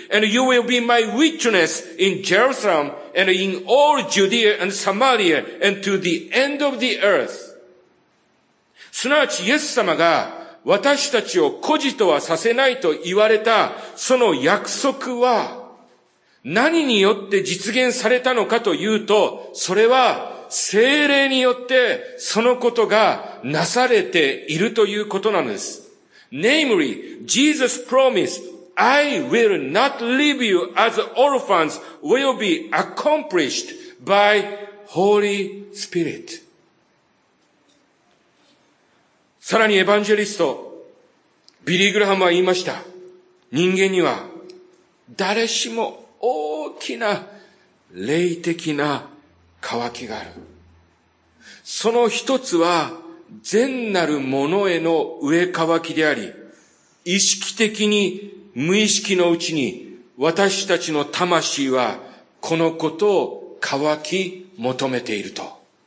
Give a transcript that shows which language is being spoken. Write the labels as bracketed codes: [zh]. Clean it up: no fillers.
[en] And you will be my witness in Jerusalem and in all Judea and Samaria and to the end of the earth. [ja] すなわち、イエス様が私たちを孤児とはさせないと言われたその約束は何によって実現されたのかというと、それは聖霊によってそのことがなされているということなんです。 [en] Namely, Jesus promised, I will not leave you as orphans will be accomplished by Holy Spirit. [ja] さらにエヴァンジェリスト、ビリー・グラハムは言いました。人間には誰しも大きな霊的な渇きがある。その一つは善なるものへの飢え渇きであり、意識的に無意識のうちに私たちの魂はこのことを渇き求めていると。